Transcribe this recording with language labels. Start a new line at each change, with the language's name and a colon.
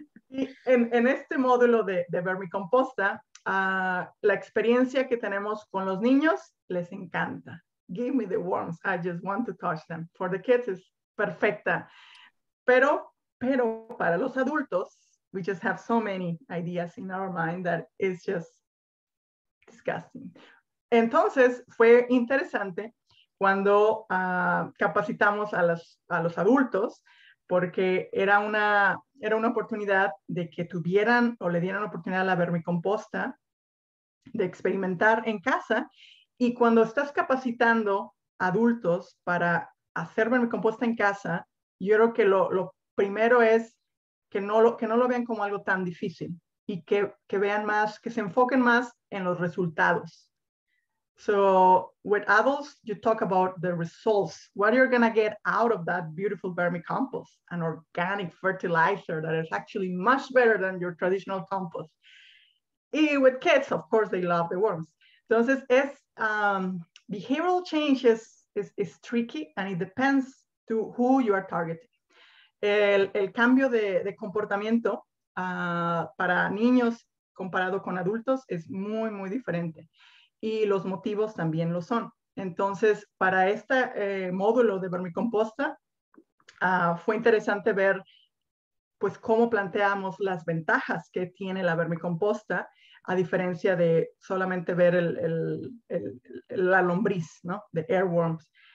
Spanish: Y en este módulo de vermicomposta, la experiencia que tenemos con los niños les encanta.
English: Give me the worms. I just want to touch them. For the kids, it's perfecta.
Spanish: Pero para los adultos,
English: we just have so many ideas in our mind that it's just disgusting.
Spanish: Entonces, fue interesante cuando capacitamos a los adultos, porque era una oportunidad de que tuvieran o le dieran oportunidad a la vermicomposta de experimentar en casa. Y cuando estás capacitando adultos para hacer vermicomposta en casa, yo creo que lo primero es que no lo vean como algo tan difícil y que vean más, que se enfoquen más en los resultados.
English: So with adults, you talk about the results, what you're going to get out of that beautiful vermicompost, an organic fertilizer that is actually much better than your traditional compost. Y with kids, of course, they love the worms.
Spanish: Entonces,
English: behavioral change is tricky, and it depends to who you are targeting.
Spanish: El cambio de comportamiento para niños comparado con adultos es muy, muy diferente. Y los motivos también lo son. Entonces, para este módulo de vermicomposta, fue interesante ver pues, cómo planteamos las ventajas que tiene la vermicomposta, a diferencia de solamente ver la lombriz, ¿no? De airworms.